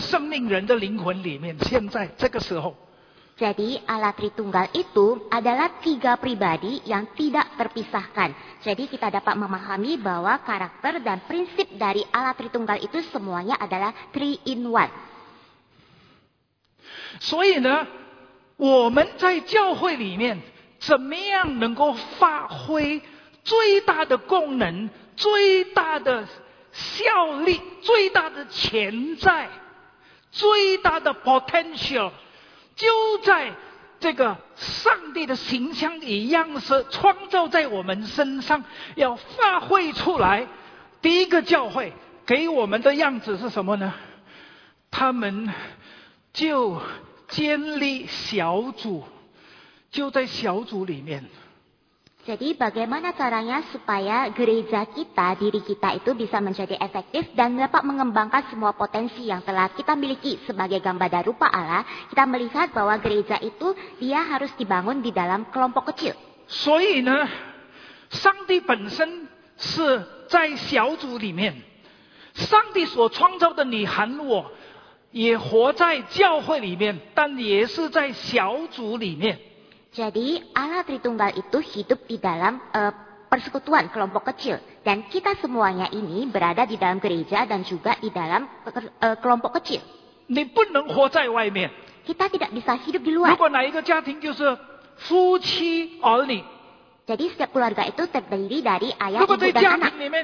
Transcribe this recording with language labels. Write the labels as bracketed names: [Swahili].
[Chinese] 一三三一在里面，哦，这个性格也被传递到人身上，人的生命、人的灵魂里面。现在这个时候， [Indonesian] Jadi Allah Tritunggal itu adalah tiga pribadi yang tidak terpisahkan. Jadi kita dapat memahami bahwa karakter dan prinsip dari Allah Tritunggal itu semuanya adalah [English] three in one. [Chinese] 所以呢，我们在教会里面。怎么样能够发挥最大的功能、最大的效力、最大的潜在、最大的 potential， 就在这个上帝的形象一样是创造在我们身上，要发挥出来。第一个教会给我们的样子是什么呢？他们就建立小组。就在小组里面。 [Indonesian] Jadi bagaimana caranya supaya gereja kita, diri kita itu bisa menjadi efektif dan dapat mengembangkan semua potensi yang telah kita miliki sebagai gambar dan rupa Allah? Kita melihat bahwa gereja itu dia harus dibangun di dalam kelompok kecil. [Chinese] 所以呢, 上帝本身是在小组里面, 上帝所创造的你和我, 也活在教会里面, 但也是在小组里面。 [Indonesian] Jadi Allah Tritunggal itu hidup di dalam persekutuan kelompok kecil dan kita semuanya ini berada di dalam gereja dan juga di dalam kelompok kecil. [Chinese] 你不能活在外面. [Indonesian] Kita tidak bisa hidup di luar. [Chinese] 如果哪一个家庭就是夫妻儿女. [Indonesian] Jadi setiap keluarga itu terdiri dari ayah ibu dan anak.